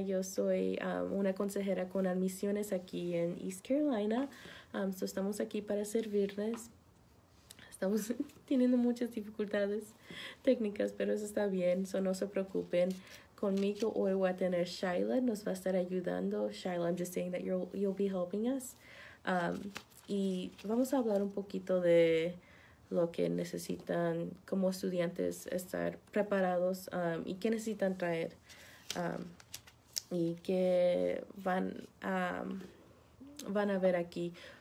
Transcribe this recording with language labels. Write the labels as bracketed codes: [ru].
[es] Yo soy una consejera con admisiones aquí en East Carolina. So estamos aquí para servirles. Estamos teniendo muchas dificultades técnicas, pero eso está bien. So no se preocupen. Conmigo hoy voy a tener Shayla, nos va a estar ayudando. [en] Shayla, I'm just saying that you'll be helping us. [es] Y vamos a hablar un poquito de lo que necesitan como estudiantes estar preparados y qué necesitan traer. Y qué van a ver aquí.